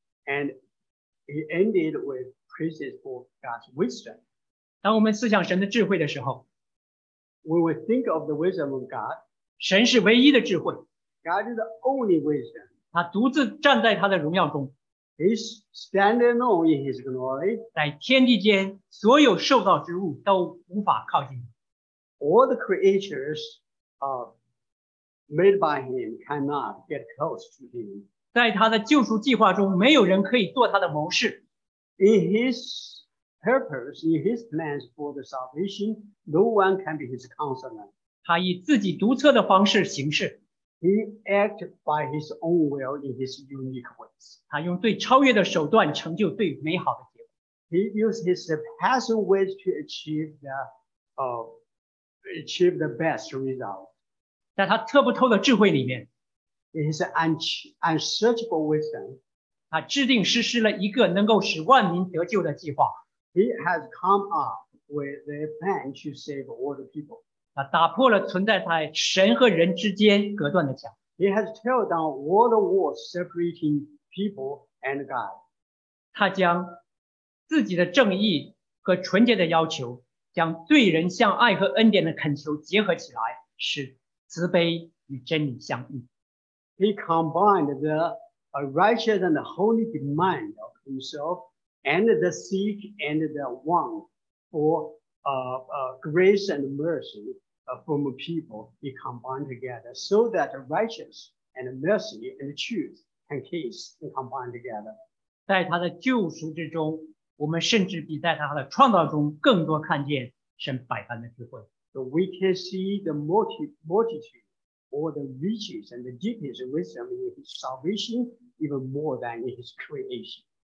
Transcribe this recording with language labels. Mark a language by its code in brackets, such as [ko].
[en] And he ended with praises for God's wisdom. [zh] 当我们思想神的智慧的时候， [en] we will think of the wisdom of God. [zh] 神是唯一的智慧。 [en] God is the only wisdom. [zh] 他独自站在他的荣耀中。 [en] He's standing alone in his glory. [zh] 在天地间，所有受造之物都无法靠近。 [en] all the creatures made by him cannot get close to him. [zh] 在他的救赎计划中，没有人可以做他的谋士。 [en] In his purpose, in his plans for the salvation, no one can be his counselor. [zh] 他以自己独特的方式行事。 [en] He acted by his own will in his unique ways. [zh] 他用最超越的手段成就最美好的结果。 [en] He used his surpassing ways to achieve the best result. [zh] 在他测不透的智慧里面。 [en] In his unsearchable wisdom, [zh] 他制定实施了一个能够使万民得救的计划。 [en] He has come up with a plan to save all the people. [zh] 他打破了存在在神和人之间隔断的墙。 [en] He has tore down all the walls separating people and God. [zh] 他将自己的正义和纯洁的要求，将对人向爱和恩典的恳求结合起来，使慈悲与真理相遇。 [en] He combined the righteous and holy demand of himself and the seek and the want for grace and mercy from people. He combined together so that righteous and mercy and truth can kiss and combine together. [zh] 在他的救赎之中，我们甚至比在他的创造中更多看见神百般的智慧。 [en] So we can see the multitude. All the riches and the deepest wisdom in his salvation, even more than in his creation.